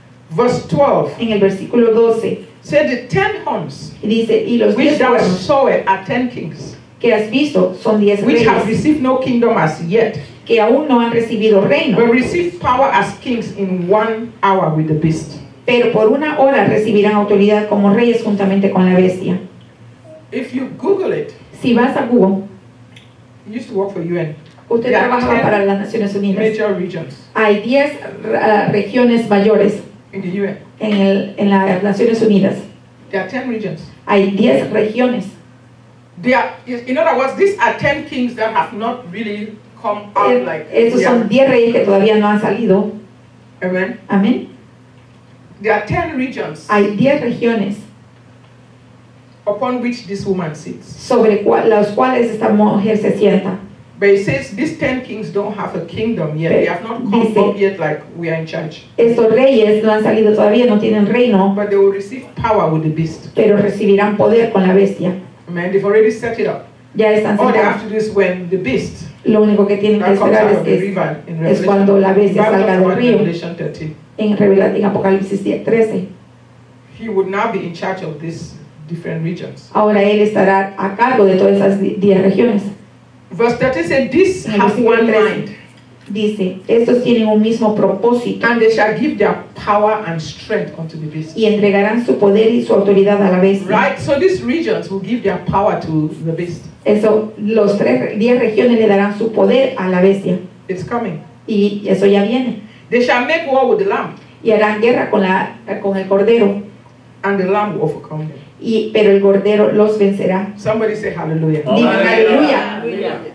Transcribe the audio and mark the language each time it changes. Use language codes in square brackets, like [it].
[en] Verse 12. [es] En el versículo 12. [en] Said the 10 horns. [es] Dice, y los [en] which thou saw it are 10 kings. [es] Que has visto son 10 reyes. [en] Which have received no kingdom as yet. [es] Que aún no han recibido reino. [en] But receive power as kings in 1 hour with the beast. [es] Pero por una hora recibirán autoridad como reyes juntamente con la bestia. [en] If you Google it. [es] Si vas a Google. [en] You used to work for UN. [es] Usted trabaja para las Naciones Unidas. [en] Major regions. [es] Hay 10 regiones mayores. [en] In the UN. [es] En las Naciones Unidas. [en] There are 10 regions. [es] Hay 10 regiones. [en] In other words, these are 10 kings that have not really come out like. [es] Estos son 10 reyes que todavía no han salido. [en] Amen. [es] Amen. [en] There are 10 regions. [es] Hay 10 regiones. [en] Upon which this woman sits. [es] Sobre las cuales esta mujer se sienta. [en] But it says these 10 kings don't have a kingdom yet. They have not come up yet like we are in charge. [es] Estos reyes no han salido todavía, no tienen reino. [en] But they will receive power with the beast. [es] Pero recibirán poder con la bestia. [en] Amen. They've already set it up. [es] Ya están [en] all they have to do is when the beast. [es] Lo único que tienen que esperar es cuando la bestia salga del río. [en] Revelation 13. [es] En Apocalipsis 13. [en] He would now be in charge of these different regions. [es] Ahora él estará a cargo de todas esas 10 regiones. [en] Verse 13 says, "This have one mind." [es] Dice, estos tienen un mismo propósito. [en] And they shall give their power and strength unto the beast. [es] Y entregarán su poder y su autoridad a la bestia. [en] Right. So these regions will give their power to the beast. [es] Eso, los 10 regiones le darán su poder a la bestia. [en] It's coming. [es] Y eso ya viene. [en] They shall make war with the lamb. [es] Y harán guerra con el cordero. [en] And the lamb will overcome them. [es] Pero el cordero los vencerá. [en] Somebody say hallelujah. [es] Digan hallelujah. Hallelujah.